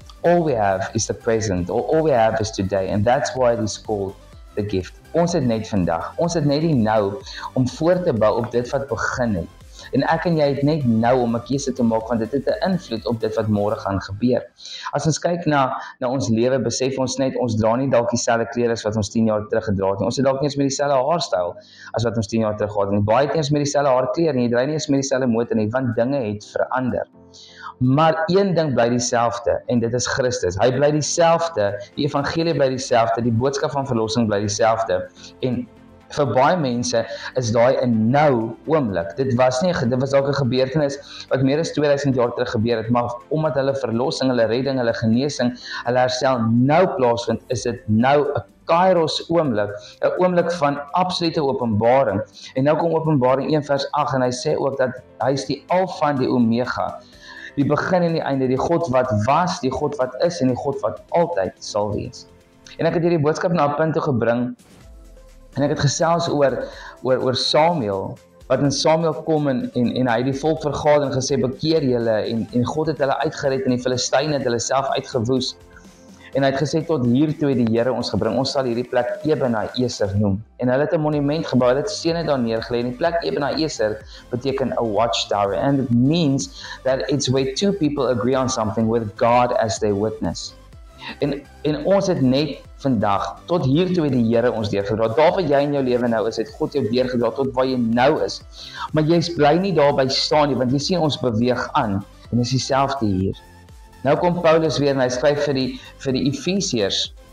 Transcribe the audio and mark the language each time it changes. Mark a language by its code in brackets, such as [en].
[en] All we have is the present, or all we have is today, and that's why it is called the gift. [af] Ons het net vandag. Ons het net die nou om voort te bou op dit wat begin het. En ek en jy het net nou om 'n keuse te maak, want dit het 'n invloed op dit wat môre gaan gebeur. As ons kyk na ons lewe, besef ons net ons dra nie dalk dieselfde klere as wat ons 10 jaar terug gedra het nie. Ons het dalk nie eens met dieselfde haarstyl as wat ons 10 jaar terug gehad het nie. Baie keer is met dieselfde haarkleur en jy dry nie eens met dieselfde motor nie, want dinge het verander. Maar een ding bly dieselfde en dit is Christus. Hy bly dieselfde, die evangelie bly dieselfde, die boodskap van verlossing bly dieselfde. En vir baie mense is daai 'n nou oomblik. Dit was dalk 'n gebeurtenis wat meer as 2000 jaar terug gebeur het, maar omdat hulle verlossing, hulle redding, hulle genesing, hulle herstel nou plaasvind, is dit nou 'n Kairos oomblik, 'n oomblik van absolute openbaring. En nou kom Openbaring 1 vers 8 en hy sê ook dat hy is die Alfa en die Omega. Die begin en die einde, die God wat was, die God wat is en die God wat altyd sal wees. En ek het hierdie boodskap na 'n punt toe gebring en ek het gesels oor Samuel, wat in Samuel kom en hy het die volk vergader en gesê, bekeer julle en God het hulle uitgered en die Filistyne het hulle self uitgewoes. En hy het gesê, tot hier toe het die Here ons gebring, ons sal hierdie plek Eben-Ezer noem. En hulle het 'n monument gebou, hulle het stene daar neergelê. En die plek Eben-Ezer beteken [en] a watchtower. And it means that it's where two people agree on something with God as their witness. [af] En ons het net vandag, tot hier toe het die Here ons deurgedra. Daar waar jy in jou lewe nou is, het God jou deurgedra tot waar jy nou is. Maar jy bly nie daarby staan nie, want jy sien ons beweeg aan. En is dieselfde hier. Nou kom Paulus weer en hy skryf vir die Efesiërs.